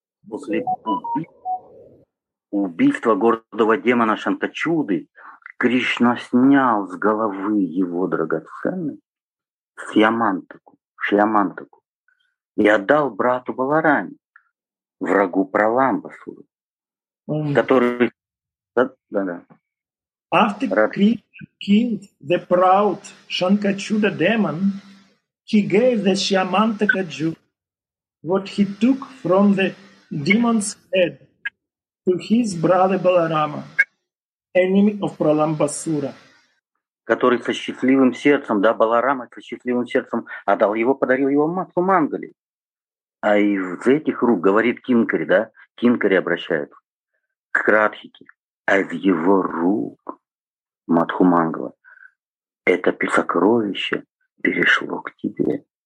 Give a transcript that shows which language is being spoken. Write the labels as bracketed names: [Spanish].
[Russian] После убийства гордого демона Шантачуды Кришна снял с головы его драгоценный шьямантаку и отдал брату Баларами, врагу Праламбасуру, который... Да. [English] After Krishna killed the proud Shankachuda demon, he gave the Shyamantaka Jew what he took from the demon's head to his brother Balarama, enemy of Pralambasura. [Russian] Который со счастливым сердцем, да, Баларама со счастливым сердцем отдал его, подарил его Матху Мангали. А из этих рук, говорит Кинкари, да, Кинкари обращает к Радхике, а из его рук Матху Мангала это сокровище перешло к тебе.